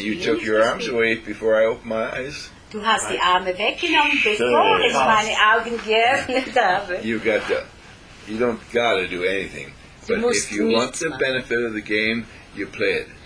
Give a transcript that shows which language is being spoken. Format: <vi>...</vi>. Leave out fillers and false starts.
<en>you took your arms away before I opened my eyes.</en> <de>Du hast die Arme weggenommen, bevor ich meine Augen geöffnet habe.</de> <en>You got to. You don't got to do anything. But if you want the benefit of the game, you play it.</en>